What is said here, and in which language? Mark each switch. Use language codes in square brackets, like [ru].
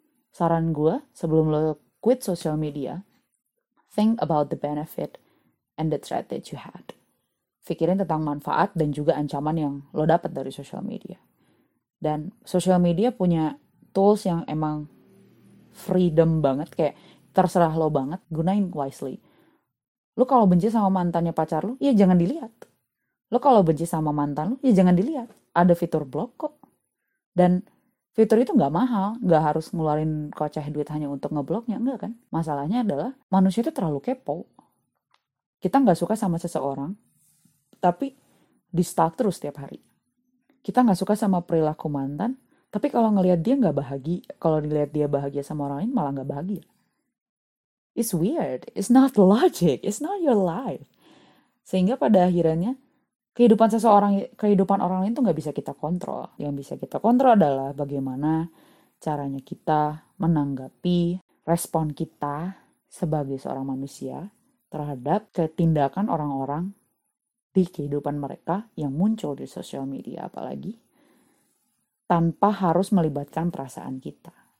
[id] Saran gue, sebelum lu quit sosial media, [en] think about the benefit and the threat that you had. [id] Pikirin tentang manfaat dan juga ancaman yang lu dapat dari sosial media. Dan sosial media punya tools yang emang freedom banget, kayak terserah lo banget, gunain wisely. Lo kalau benci sama mantannya pacar lo, ya jangan dilihat. Lo kalau benci sama mantan lo, ya jangan dilihat. Ada fitur blok kok. Dan fitur itu nggak mahal, nggak harus ngeluarin koceh duit hanya untuk ngebloknya, enggak kan? Masalahnya adalah manusia itu terlalu kepo. Kita nggak suka sama seseorang, tapi di-stalk terus setiap hari. Kita nggak suka sama perilaku mantan, tapi kalau ngelihat dia nggak bahagia, kalau dilihat dia bahagia sama orang lain malah nggak bahagia. [en] It's weird, it's not logic, it's not your life. [id] Sehingga pada akhirnya, kehidupan seseorang, kehidupan orang lain itu nggak bisa kita kontrol. Yang bisa kita kontrol adalah bagaimana caranya kita menanggapi respon kita sebagai seorang manusia terhadap ketindakan orang-orang di kehidupan mereka yang muncul di sosial media, apalagi tanpa harus melibatkan perasaan kita.